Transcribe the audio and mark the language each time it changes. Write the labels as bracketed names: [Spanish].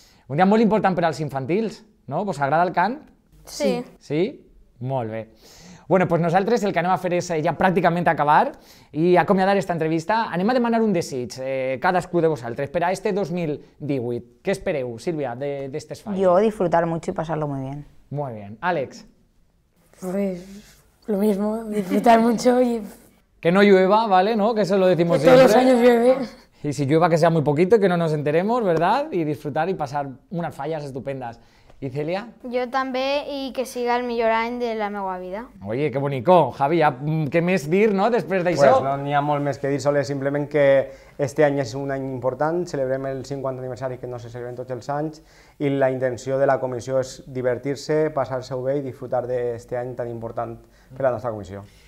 [Catalan] Un dia molt important per als infantils, no?, vos agrada el cant? Sí. Sí? Molt bé. Bueno, doncs nosaltres el que anem a fer és ja pràcticament acabar i acomiadar aquesta entrevista. Anem a demanar un desig, cadascú de vosaltres, per a este 2018. Què espereu, Sílvia, d'aquestes falles? [Spanish] Jo disfrutar mucho y pasarlo muy bien. Muy bien. Àlex? Pues lo mismo, disfrutar mucho y... Que no llueva, ¿vale? ¿No? Que eso lo decimos siempre. Que todos los años llueve. Y si llueva que sea muy poquito, que no nos enteremos, ¿verdad? Y disfrutar y pasar unas fallas estupendas. ¿Y Celia? Yo [Catalan] també i que siga el millor any de la meva vida. [Spanish] Oye, qué [Catalan] bonico, Javi, ja, què més dir, no?, després d'això? Pues no n'hi ha molt més que dir, sols simplement que este any és un any important, celebrem el 50 aniversari que no se celebren tots els anys i la intenció de la comissió és divertir-se, passar-se-ho bé i disfrutar d'aquest any tan important per a la nostra comissió.